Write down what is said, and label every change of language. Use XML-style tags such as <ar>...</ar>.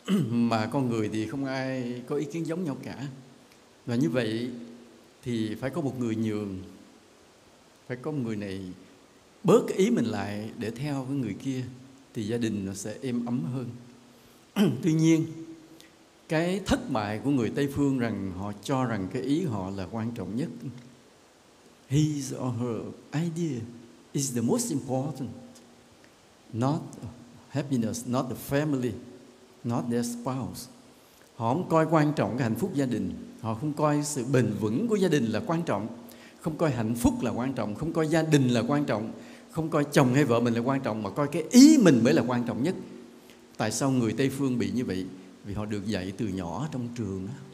<vi>Mà con người thì không ai có ý kiến giống nhau cả. Và như vậy thì phải có một người nhường, phải có một người này bớt ý mình lại để theo cái người kia, thì gia đình nó sẽ êm ấm hơn. Tuy nhiên, cái thất bại của người Tây Phương rằng họ cho rằng cái ý họ là quan trọng nhất.</vi> <en>His or her idea is the most important. Not happiness, not the family, not their spouse.</en> <vi>Họ không coi quan trọng cái hạnh phúc gia đình. Họ không coi sự bền vững của gia đình là quan trọng. Không coi hạnh phúc là quan trọng. Không coi gia đình là quan trọng. Không coi chồng hay vợ mình là quan trọng. Mà coi cái ý mình mới là quan trọng nhất. Tại sao người Tây Phương bị như vậy? Vì họ được dạy từ nhỏ trong trường đó.</vi>